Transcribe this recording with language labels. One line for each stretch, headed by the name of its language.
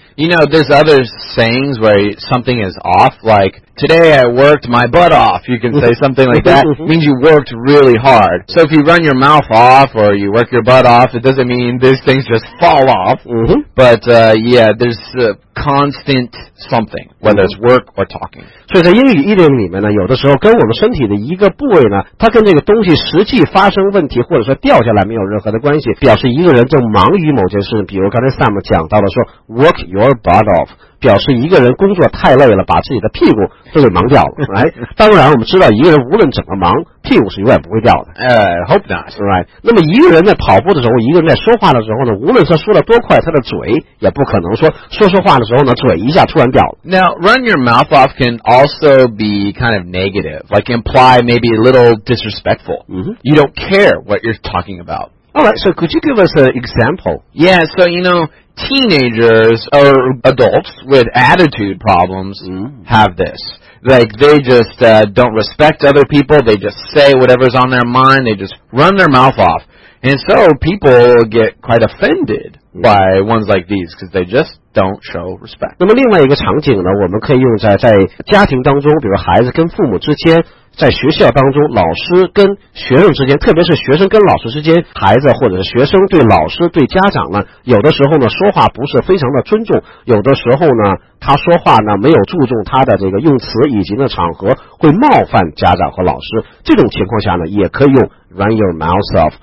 English: You know, there's other sayings where something is off, like, today I worked my butt off. You can say something like that. It means you worked really hard. So if you run your mouth off or you work your butt off, it doesn't mean these things just fall off. Mm-hmm. But, yeah, there's a constant something, whether it's work or talking.
Chinese: 所以在英语 idiom 里面呢，有的时候跟我们身体的一个部位呢，它跟这个东西实际发生问题或者说掉下来没有任何的关系，表示一个人正忙于某件事。比如刚才 Sam 讲到了说
English: work your butt off，
Chinese: 表示一个人工作太累了把自己的屁股都给忙掉了、
English: right?
Chinese: 当然我们知道一个人无论怎么忙屁股是永远不会掉的、
English: hope not、 right?
Chinese: 那么一个人在跑步的时候一个人在说话的时候呢，无论他说了多快他的嘴也不可能说说话的时候呢，嘴一下突然掉了
English: Now run your mouth off can also be kind of negative like imply maybe a little disrespectful、 mm-hmm. you don't care what you're talking about Alright, so could you give us an example? Yeah, so you know, teenagers or adults with attitude problems、 mm-hmm. have this. Like, they just、don't respect other people, they just say whatever's on their mind, they just run their mouth off. And so people get quite offended、mm-hmm. by ones like these, because they justDon't show respect.
Chinese: 那么另外一个场景呢，我们可以用在家庭当中，比如孩子跟父母之间在学校当中老师跟学生之间，特别是学生跟老师之间，孩子或者是学生对老师对家长呢，有的时候呢说话不是非常的尊重，有的时候呢他说话呢没有注重他的这个用词以及呢场合，会冒犯家长和老师，这种情况下呢也可以用
English: run your mouth off。